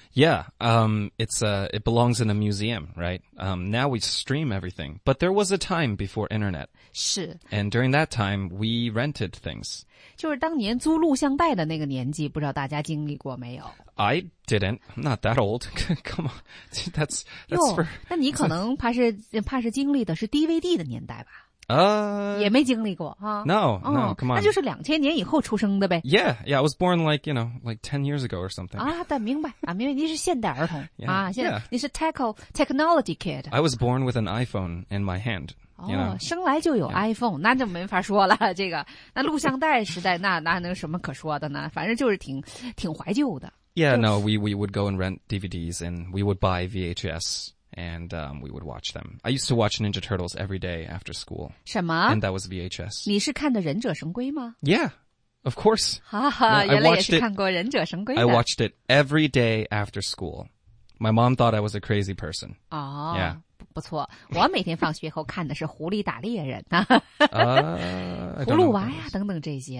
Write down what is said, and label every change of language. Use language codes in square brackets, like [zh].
[en] yeah it belongs in a museum right now we stream everything but there was a time before internet [zh] 是 [en] and during that time we rented things [zh] 就是当年租录像带的那个年纪不知道大家经历过没有 [en] I didn't I'm not that old come on that's for [zh] 那你可能怕是经历的是 DVD 的年代吧也没经历过啊 [en] No, come on [zh] 那就是2000年以后出生的呗 [en] Yeah, I was born like, you know, like 10 years ago or something [zh] 啊但明白啊明白你是现代儿童 [en] yeah, [zh] 啊现在、你是 [en] technology kid I was born with an iPhone in my hand [zh] 生来就有 iPhone、那就没法说了这个那录像带时代那能什么可说的呢反正就是挺怀旧的 [en] Yeah, no, we would go and rent DVDs and we would buy VHS and we would watch them I used to watch Ninja Turtles every day after school [zh] 什么 [en] And that was VHS [zh] 你是看的忍者神龟吗 [en] Yeah, of course [zh] 哈哈原来也是看过忍者神龟的 [en] I watched it every day after school My mom thought I was a crazy person [zh] 哦、 [en] Yeah [zh] 不错我每天放学后看的是狐狸打猎人啊葫芦娃呀等等这些、